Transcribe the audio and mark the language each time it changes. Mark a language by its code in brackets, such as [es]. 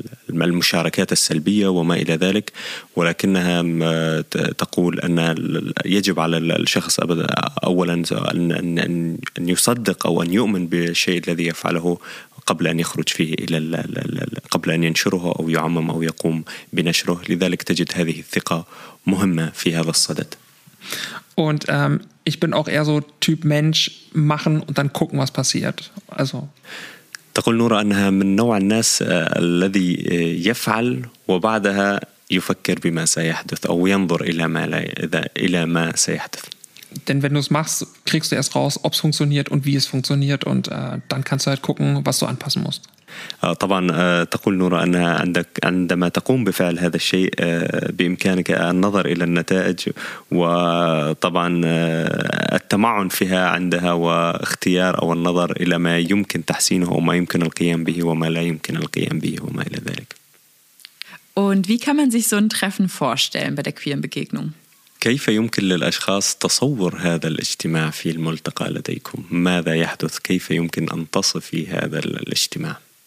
[ar] المشاركات السلبية وما إلى ذلك ولكنها تقول أن يجب على الشخص أولا أن يصدق أو أن يؤمن بالشيء الذي يفعله قبل أن يخرج فيه إلى قبل أن ينشره أو يعمم أو يقوم بنشره لذلك تجد هذه الثقة مهمة في هذا الصدد [de] Und ich bin auch eher so Typ Mensch, machen und dann gucken, was passiert. Also. [ar] تقول نورا أنها من نوع الناس الذي يفعل وبعدها يفكر بما سيحدث أو ينظر إلى ما لا إلى ما سيحدث. [de] Denn wenn du es machst, kriegst du erst raus, ob es funktioniert und wie es funktioniert und dann kannst du halt gucken, was du anpassen musst. [ar] طبعا تقول نورا أنها عندما تقوم بفعل هذا الشيء بإمكانك النظر إلى النتائج وطبعا التمعن فيها عندها واختيار أو النظر إلى ما يمكن تحسينه وما يمكن القيام به وما لا يمكن القيام به وما إلى ذلك. [de] Und wie kann man sich so ein Treffen vorstellen bei der queeren Begegnung? [ar] كيف يمكن للأشخاص تصور هذا الاجتماع في الملتقى لديكم؟ ماذا يحدث؟ كيف يمكن أن تصفي هذا الاجتماع؟